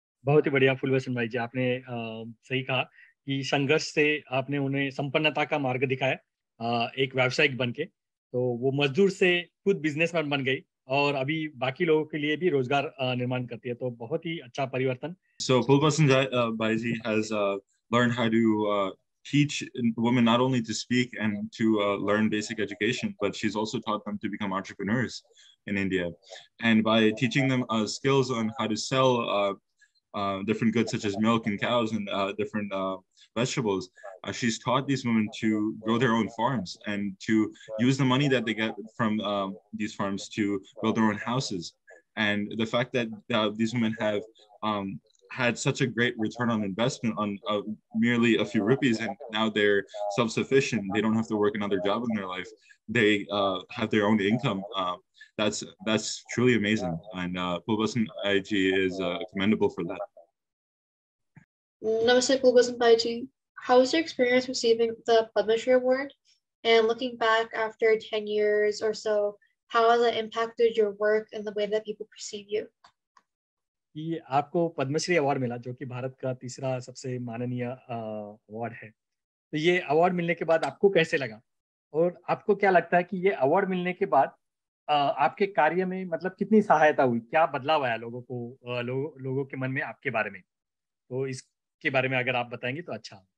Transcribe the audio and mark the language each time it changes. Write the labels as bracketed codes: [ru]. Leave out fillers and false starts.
[hi] बहुत ही बढ़िया फुलभूषण भाई जी, आपने सही कहा कि संघर्ष से आपने उन्हें संपन्नता का मार्ग दिखाया एक व्यावसायिक बन के, तो वो मजदूर से खुद बिजनेसमैन बन गई और अभी बाकी लोगों के लिए भी रोजगार निर्माण करती है, तो बहुत ही अच्छा परिवर्तन। [en] So Phulbasan Baiji has learned how to teach women not only to speak and to learn basic education, but she's also taught them to become entrepreneurs in India. And by teaching them skills on how to sell different goods such as milk and cows and different vegetables. She's taught these women to grow their own farms and to use the money that they get from these farms to build their own houses. And the fact that these women have had such a great return on investment on merely a few rupees, and now they're self-sufficient, they don't have to work another job in their life, they have their own income. That's truly amazing. And Phulbasan IG is commendable for that. Namaste Phulbasan IG. How was your experience receiving the Padma Shri Award? And looking back after 10 years or so, how has it impacted your work and the way that people perceive you? [hi] ये आपको Padmashri award मिला जो कि भारत का तीसरा सबसे माननीय award है, तो ये अवार्ड मिलने के बाद आपको कैसे लगा और आपको क्या लगता है कि ये अवार्ड मिलने के बाद आपके कार्य में मतलब कितनी सहायता हुई, क्या बदलाव आया लोगों को, लोगों के मन में आपके बारे में, तो इसके बारे में अगर आप बताएंगे तो अच्छा।